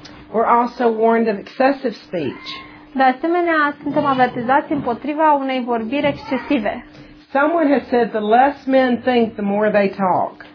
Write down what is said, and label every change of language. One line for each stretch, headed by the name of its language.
English: We're also warned of excessive speech.
Romanian: De asemenea, suntem avertizați împotriva unei vorbiri excesive.
English: Someone has said the less men think, the more they talk.